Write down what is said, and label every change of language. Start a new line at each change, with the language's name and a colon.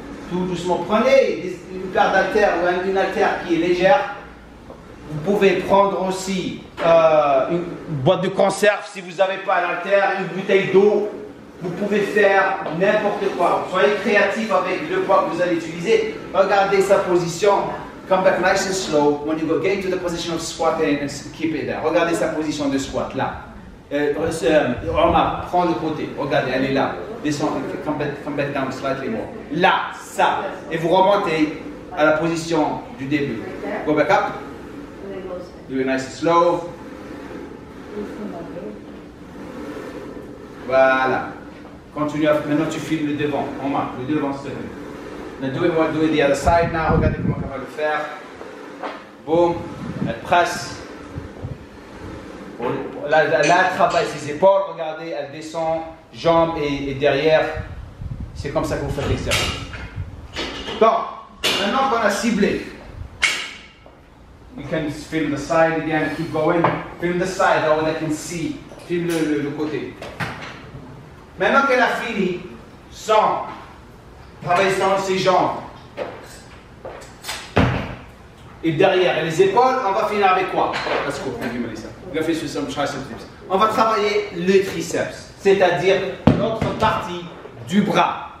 French: Tout doucement, prenez une paire d'haltères ou une haltère qui est légère. Vous pouvez prendre aussi une boîte de conserve si vous n'avez pas l'haltère, une bouteille d'eau. Vous pouvez faire n'importe quoi. Soyez créatif avec le poids que vous allez utiliser. Regardez sa position.
English: Come back nice and slow. When you go, get into the position of squat and keep it there.
French: Regardez sa position de squat, là. Prends le côté. Regardez, elle est là. Descends,
English: come back down slightly more.
French: Là, ça. Et vous remontez à la position du début.
English: Go back up. Do it nice and slow.
French: Voilà. Continue, maintenant tu filmes le devant, en main, le devant c'est le même.
English: Now do it the other side now,
French: regardez comment elle va le faire. Boom, elle presse. Là, elle travaille ses épaules, regardez, elle descend, jambes et derrière. C'est comme ça que vous faites l'exercice. Bon, maintenant qu'on a ciblé.
English: You can film the side again, keep going. Film the side, that way I can see.
French: Film le côté. Maintenant qu'elle a fini, sans travailler sans ses jambes et derrière et les épaules, on va finir avec quoi?
English: Let's go, thank you Melissa. We're going to finish with some triceps.
French: On va travailler les triceps, c'est-à-dire l'autre partie du bras.